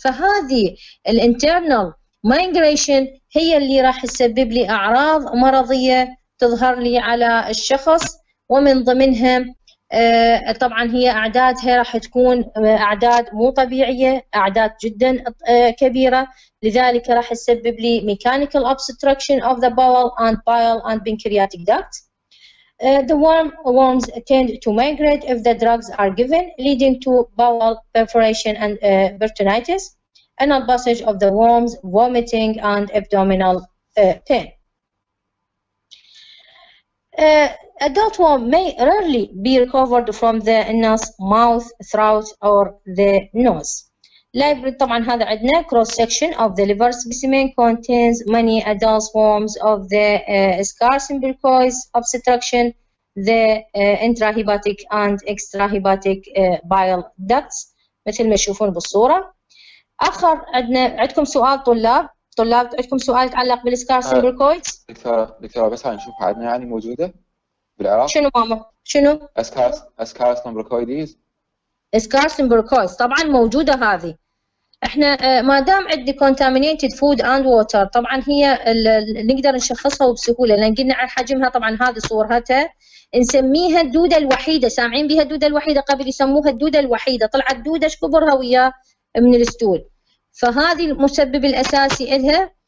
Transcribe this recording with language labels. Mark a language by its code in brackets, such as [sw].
[ar] فهذه الانترنال مايجريشن هي اللي راح تسبب لي اعراض مرضيه تظهر لي على الشخص، ومن ضمنها طبعا هي اعدادها راح تكون اعداد مو طبيعيه، اعداد جدا كبيره، لذلك راح تسبب لي ميكانيكال [en] obstruction of the bowel and bile and pancreatic duct. The worms tend to migrate if the drugs are given leading to bowel perforation and peritonitis. Anal passage of the worms, vomiting and abdominal pain. Adult worm may rarely be recovered from the anus, mouth, throat or the nose. Library, [ar] طبعا هذا عندنا [en] cross section of the liver specimen contains many adult worms of the scar simbricoids obstruction, the intrahepatic and extrahepatic bile ducts [ar] مثل ما تشوفون بالصورة. اخر عندكم سؤال طلاب عندكم سؤال يتعلق بالسكار سمبركويدز؟ دكتوره بس هاي نشوف عندنا يعني موجوده بالعراق شنو ماما شنو؟ اسكار سمبركويدز سكار سمبركويدز طبعا موجوده هذه. احنا ما دام عندي [en] contaminated food and water [ar] طبعا هي نقدر نشخصها وبسهوله، لان قلنا عن حجمها طبعا هذه صورتها، نسميها الدوده الوحيده، سامعين بها الدوده الوحيده؟ قبل يسموها الدوده الوحيده، طلعت دوده ايش كبرها وياه من الاسطول، فهذه المسبب الاساسي لها.